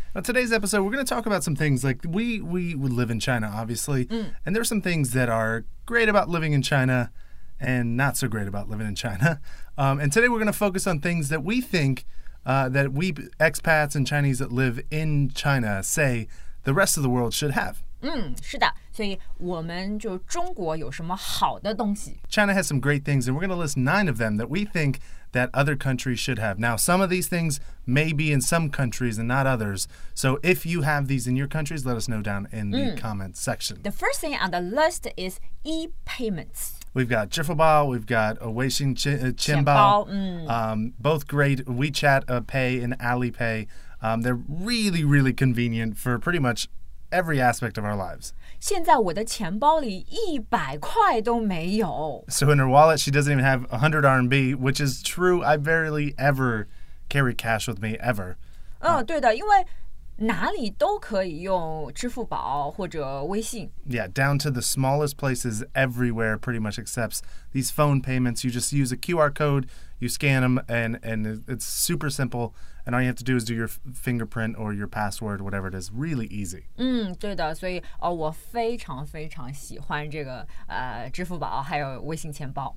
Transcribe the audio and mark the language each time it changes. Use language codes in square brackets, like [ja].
[en] Now, today's episode, we're going to talk about some things. Like, we live in China, obviously. And there are some things that are great about living in China and not so great about living in China. And today we're going to focus on things that we think, that we expats and Chinese that live in China say the rest of the world should have. [zh] 是的。所以我们就中国有什么好的东西。 [en] China has some great things, and we're going to list 9 of them that we think that other countries should have. Now, some of these things may be in some countries and not others. So if you have these in your countries, let us know down in the comments section. The first thing on the list is e-payments. We've got Jiffelbao, we've got Weixin Qianbao, both great, WeChat Pay and Alipay. They're really, really convenient for pretty much every aspect of our lives. [zh] 现在我的钱包里100块都没有。 [en] So in her wallet, she doesn't even have 100 RMB, which is true. I barely ever carry cash with me, ever. [zh] 对的，因为哪里都可以用支付宝或者微信。 [en] Yeah, down to the smallest places everywhere pretty much accepts these phone payments. You just use a QR code, you scan them, and it's super simple. And all you have to do is do your fingerprint or your password, whatever it is. Really easy. [zh] 对的，所以我非常非常喜欢这个支付宝还有微信钱包。